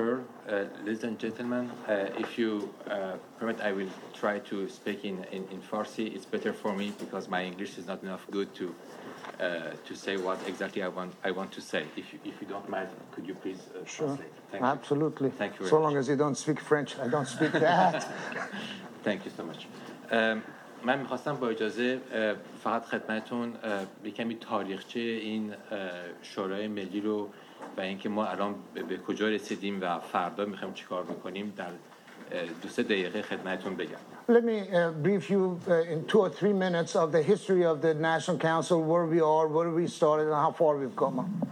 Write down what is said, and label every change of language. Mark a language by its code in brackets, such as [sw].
[en] Pearl, ladies and gentlemen, if you permit, I will try to speak in Farsi. It's better for me because my English is not enough good to say what exactly I want to say. If you don't mind, could you please translate? Sure. Absolutely. Thank you very much. So long as you don't speak French, I don't speak that. Thank you so much. [fa] من می‌خواستم با اجازه فقط خدمتتون یه کمی تاریخچه این شورای ملی رو و اینکه ما الان به کجا رسیدیم و فردا می‌خوایم چیکار بکنیم در دو سه دقیقه خدمتتون بگم. [en] Let me brief you in 2 or 3 minutes of the history of the National Council, where we are, where we started and how far we've come.